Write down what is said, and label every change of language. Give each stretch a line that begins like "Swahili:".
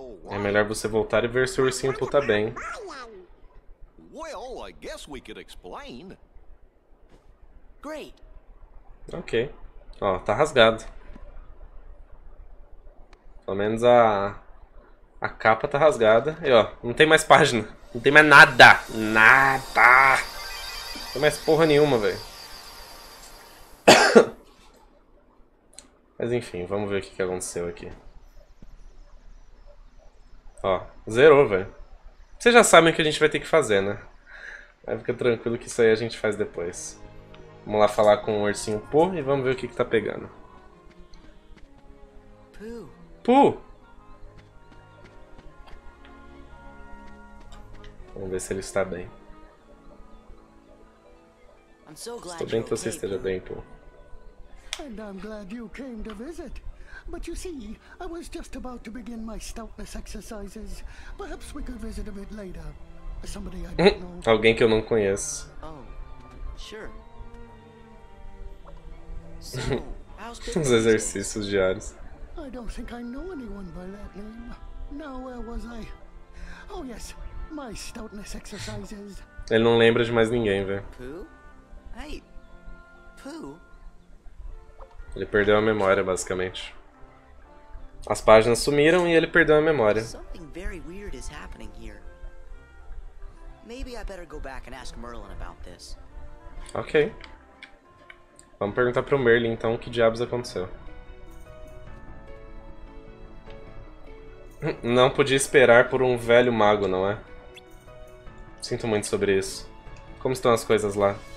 Portuguese: É melhor você voltar e ver se o ursinho Pooh tá bem.
English: Well, I guess we could explain. Great.
Portuguese: Ok. Ó, tá rasgado. Pelo menos a capa tá rasgada. E ó, não tem mais página. Não tem mais nada. Nada. Não tem mais porra nenhuma, velho. Mas enfim, vamos ver o que, que aconteceu aqui. Ó, zerou, velho. Vocês já sabem o que a gente vai ter que fazer, né? Mas fica tranquilo que isso aí a gente faz depois. Vamos lá falar com o ursinho Pooh e vamos ver o que, que tá pegando. Pooh! Pooh! Vamos ver se ele está bem. Estou bem que você esteja bem, pô.
English: And I'm glad you came to visit. But you see, I was just about to begin my stoutness exercises. Perhaps we could visit a bit later. Somebody I don't know.
Portuguese: Alguém que eu não conheço.
English: Oh, sure.
Portuguese: Os exercícios diários.
English: I don't think I know anyone by that name. Now where was I? Oh yes, my stoutness exercises.
Portuguese: Ele não lembra de mais ninguém, velho.
English: Hey, Pooh.
Portuguese: Ele perdeu a memória, basicamente. As páginas sumiram e ele perdeu a memória.
English: Something very weird is happening here. Maybe I better go back and ask Merlin about this. Ok.
Portuguese: Vamos perguntar pro Merlin então o que diabos aconteceu. Não podia esperar por um velho mago, não é? Sinto muito sobre isso. Como estão as coisas lá?